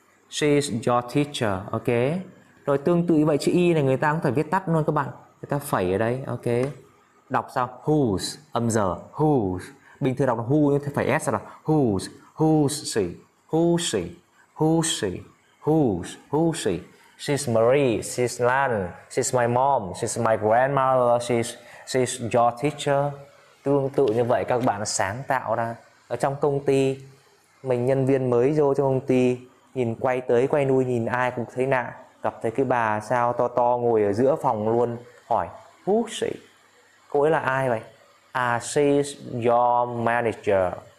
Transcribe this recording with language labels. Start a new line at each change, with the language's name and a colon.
English: She is your teacher, ok.
Vietnamese: Rồi tương tự như vậy chữ Y này người ta cũng phải viết tắt luôn các bạn. Người ta phẩy ở đây, ok. Đọc sao?
English: Who's,
Vietnamese: âm giờ,
English: who's.
Vietnamese: Bình thường đọc là
English: who
Vietnamese: nhưng phải
English: S là who's, who's she, who's she, who's she, who's, who's she. She's Marie, she's Lan, she's my mom, she's my grandmother, she's your teacher.
Vietnamese: Tương tự như vậy các bạn sáng tạo ra. Ở trong công ty, mình nhân viên mới vô trong công ty, nhìn quay tới quay lui nhìn ai cũng thấy lạ. Gặp thấy cái bà sao to to ngồi ở giữa phòng luôn, hỏi,
English: who's she?
Vietnamese: Cô ấy là ai vậy?
English: She's your manager.